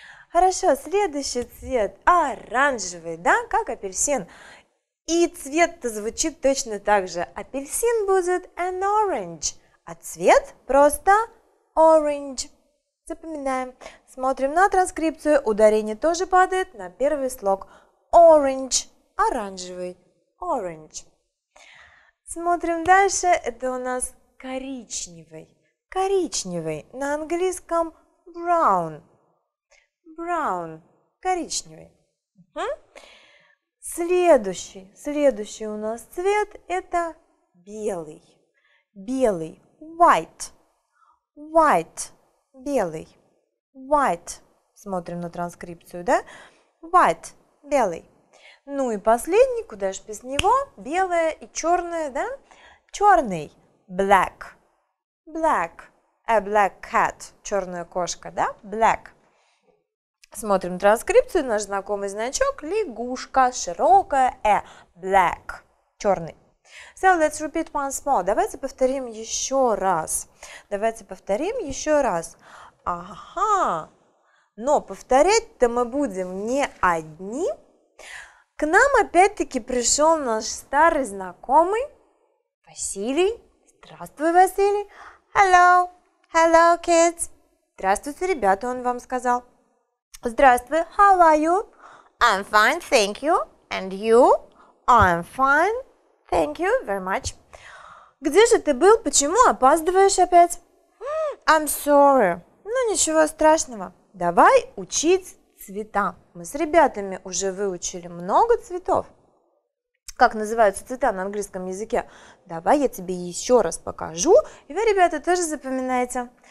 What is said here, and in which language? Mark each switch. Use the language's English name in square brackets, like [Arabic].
[Russian] Хорошо, следующий цвет оранжевый, да, как апельсин. И цвет-то звучит точно так же. Апельсин будет an orange, а цвет просто orange. Запоминаем. Смотрим на транскрипцию, ударение тоже падает на первый слог. [English] Orange, оранжевый, orange. [Russian] Смотрим дальше, это у нас коричневый. Коричневый, на английском brown. Brown, коричневый. Следующий у нас цвет это белый. Белый, white. White, белый. White, смотрим на транскрипцию, да? White, белый. Ну и последний, куда же без него? Белое и черное, да? Черный, black. [English] Black, a black cat, черная кошка, да? Black. [Russian] Смотрим транскрипцию, наш знакомый значок, лягушка, широкая, э, black, черный. [English] So, let's repeat once more. [Russian] Давайте повторим еще раз. Давайте повторим еще раз. Ага, но повторять-то мы будем не одни. К нам опять-таки пришел наш старый знакомый Василий. Здравствуй, Василий. [English] Hello, hello, kids. [Russian] Здравствуйте, ребята, он вам сказал. [English] Здравствуй, how are you? I'm fine, thank you. And you? I'm fine, thank you very much. [Russian] Где же ты был? Почему опаздываешь опять? [English] I'm sorry. [Russian] Ну ничего страшного. Давай учить цвета. Мы с ребятами уже выучили много цветов. Как называются цвета на английском языке? Давай я тебе еще раз покажу, и вы, ребята, тоже запоминаете.